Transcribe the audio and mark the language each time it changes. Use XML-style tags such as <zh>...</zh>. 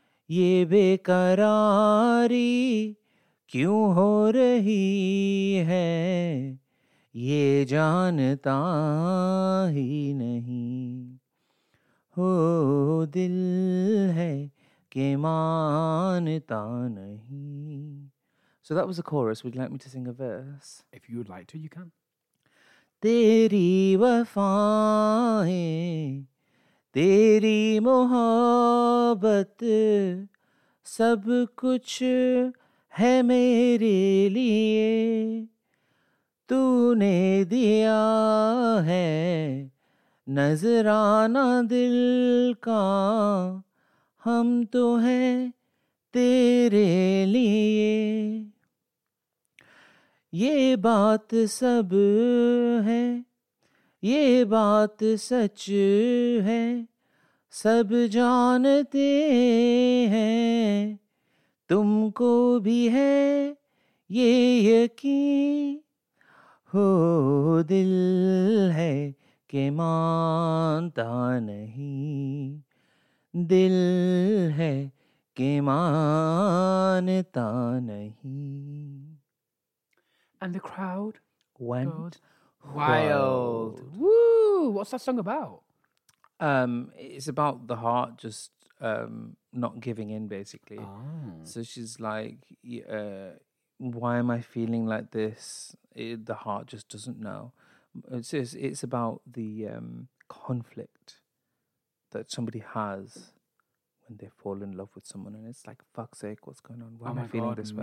<hi>ये बेकरारी क्यों हो रही है ये जानता ही नहीं हो दिल है के मानता नहीं.</hi> <en>So that was the chorus. Would you like me to sing a verse? If you would like to, you can.</en> <hi>तेरी वफाएं तेरी मोहब्बत सब कुछ है मेरे लिए तूने दिया है नजराना दिल का हम तो हैं तेरे लिए ये बात सब है ये बात सच है सब जानते हैं तुमको भी है ये यकीन हो दिल है के मानता नहीं दिल है के मानता नहीं.</hi> <en>And the crowd went wild. Woo! What's that song about? It's about the heart just not giving in, basically. Oh. So she's like, why am I feeling like this? The heart just doesn't know. It's about the conflict that somebody has when they fall in love with someone, and it's like, fuck's sake, what's going on? Why am I feeling this way?</en>